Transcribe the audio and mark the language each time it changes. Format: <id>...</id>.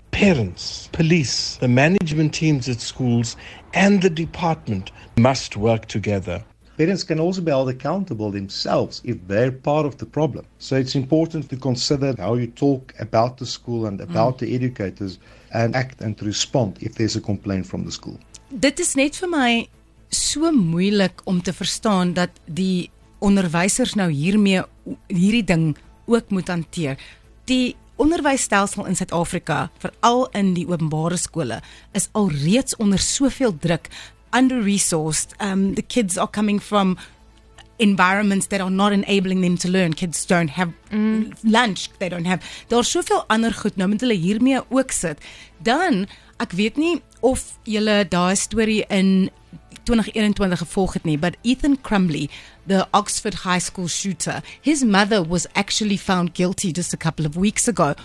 <en>Parents, police, the management teams at schools, and the department must work together. Parents can also be held accountable themselves if they're part of the problem. So it's important to consider how you talk about the school and about the educators, and act and respond if there's a complaint from the school.</en> <af>Dit is net vir my so moeilik om te verstaan dat die onderwysers nou hiermee hierdie ding ook moet hanteer. Die onderwysstelsel in Suid-Afrika, veral in die openbare skole, is alreeds onder soveel druk.</af> <en>Under-resourced, the kids are coming from environments that are not enabling them to learn. Kids don't have lunch, they don't have.</en> <af>Daar is soveel ander goed, nou moet hulle hiermee ook sit. Dan, ek weet nie of julle daai storie in 2021 gevolg het nie,</af> <en>but Ethan Crumbly, the Oxford High School shooter, his mother was actually found guilty just a couple of weeks ago.</en>